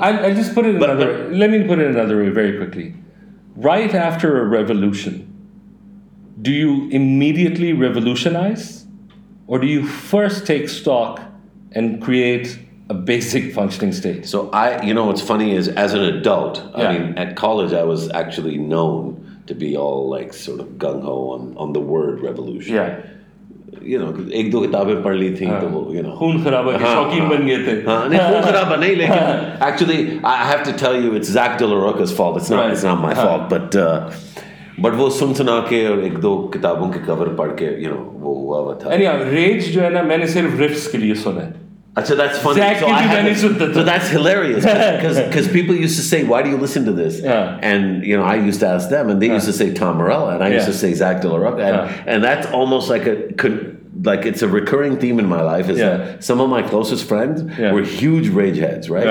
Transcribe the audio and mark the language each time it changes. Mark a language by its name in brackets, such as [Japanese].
[English] I'll just put it let me put it another way very quickly. Right after a revolution, do you immediately revolutionize? Or do you first take stock and create a basic functioning state. So I, you know, what's funny is as an adult, yeah. I mean, at college, I was actually known to be all like sort of gung-ho on the word revolution. Yeah. You know, [Hindi] एक दो किताबें पढ़ ली थी, तो वो, [English] you know. [Hindi] Khoon kharaba ke shaukeen ban gaye the. नहीं, खून खराबा नहीं, लेकिन. [English] Actually, I have to tell you, it's Zach De La Roca's fault. It's not, right. It's not my fault, but... But [Hindi] वो सुन सुना के और एक दो किताबों के कवर पढ़ के [English] you know [Hindi] वो हुआ हुआ था. Anyhow, Rage जो है ना मैंने सिर्फ riffs के लिए सुना है. अच्छा, [English] that's funny. Exactly. So, I so that's hilarious because people used to say, why do you listen to this? Yeah. And you know, I used to ask them, and they used to say Tom Morello, and I used to say Zach De La Roca, and that's almost like a like it's a recurring theme in my life is that some of my closest friends were huge Rage heads, right?